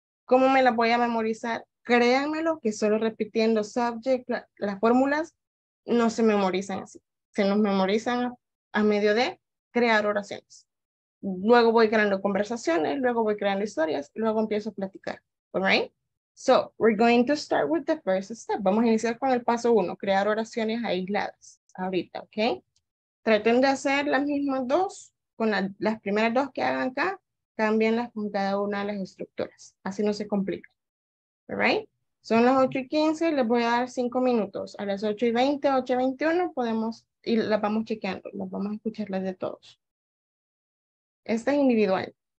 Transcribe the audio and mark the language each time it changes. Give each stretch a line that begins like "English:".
Spanish: ¿Cómo me la voy a memorizar? Créanmelo que solo repitiendo subject, las fórmulas, no se memorizan así. Se nos memorizan a medio de crear oraciones. Luego voy creando conversaciones, luego voy creando historias, luego empiezo a platicar.
English: All right? So, we're going to start with the first step.
Spanish: Vamos a iniciar con el paso 1, crear oraciones aisladas. Ahorita, ¿ok? Traten de hacer las mismas 2, con las primeras 2 que hagan acá, cámbienlas con cada una de las estructuras. Así no se complica. All right? Son las 8:15, les voy a dar 5 minutos. A las 8:20, 8:21, podemos, y las vamos chequeando, las vamos a escuchar las de todos. Esta es individual.